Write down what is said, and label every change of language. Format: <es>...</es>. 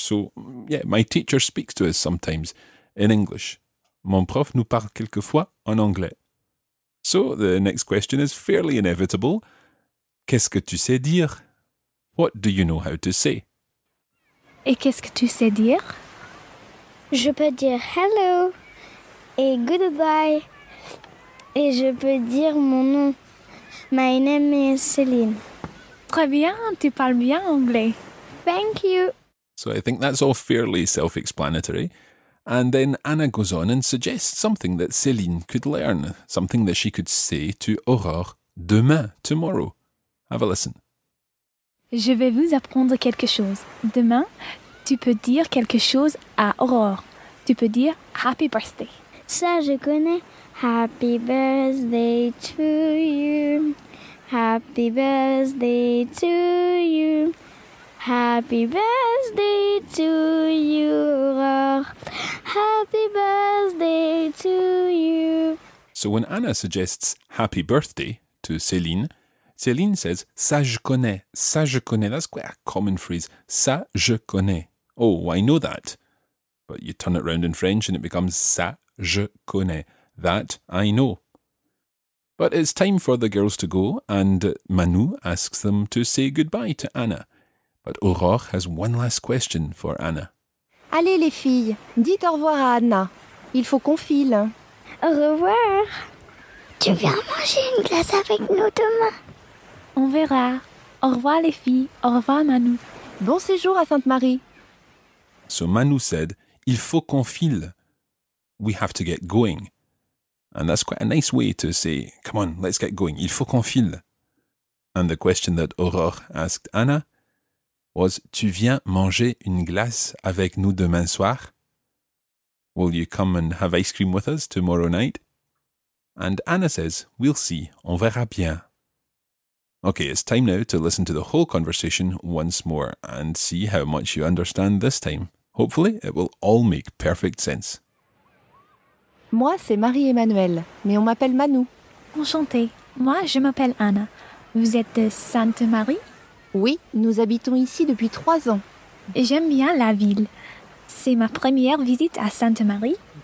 <en>So, yeah, my teacher speaks to us sometimes in English.</en> <fr>Mon prof nous parle quelquefois en anglais.</fr> <en>So, the next question is fairly inevitable.</en> <fr>Qu'est-ce que tu sais dire?</fr> <en>What do you know how to say?</en> <fr>Et qu'est-ce que tu sais dire? Je peux dire hello et goodbye. Et je peux dire mon nom.</fr> <en>My name is Céline.</en> <fr>Très bien, tu parles bien anglais.</fr> <en>Thank you. So I think that's all fairly self-explanatory. And then Anna goes on and suggests something that Céline could learn, something that she could say to Aurore demain, tomorrow. Have a listen.</en> <fr>Je vais vous apprendre quelque chose. Demain, tu peux dire quelque chose à Aurore. Tu peux dire</fr> <en>Happy Birthday.</en> <fr>Ça, je connais.</fr> <en>Happy birthday to you. Happy birthday to you. Happy birthday to you, Aurore. Happy birthday to you. So when Anna suggests happy birthday to Céline, Céline says,</en> <fr>ça je connais, ça je connais.</fr> <en>That's quite a common phrase.</en> <fr>Ça je connais.</fr> <en>Oh, I know that. But you turn it round in French and it becomes</en> <fr>ça je connais.</fr> <en>That I know. But it's time for the girls to go and Manu asks them to say goodbye to Anna. But Aurore has one last question for Anna.</en> <fr>Allez les filles, dites au revoir à Anna. Il faut qu'on file. Au revoir. Tu viens manger une glace avec nous demain? On verra. Au revoir les filles. Au revoir Manu. Bon séjour à Sainte-Marie.</fr> <en>So Manu said,</en> <fr>il faut qu'on file.</fr> <en>We have to get going. And that's quite a nice way to say, come on, let's get going.</en> <fr>Il faut qu'on file.</fr> <en>And the question that Aurore asked Anna was,</en> <fr>tu viens manger une glace avec nous demain soir?</fr> <en>Will you come and have ice cream with us tomorrow night? And Anna says, we'll see.</en> <fr>On verra bien.</fr> <en>Okay, it's time now to listen to the whole conversation once more and see how much you understand this time. Hopefully, it will all make perfect sense.</en> <fr>Moi, c'est Marie-Emmanuelle, mais on m'appelle Manu. Enchantée. Moi, je m'appelle Anna. Vous êtes de Sainte-Marie? Oui, nous habitons ici depuis 3 ans. J'aime bien la ville. C'est ma première visite à Sainte-Marie.</fr>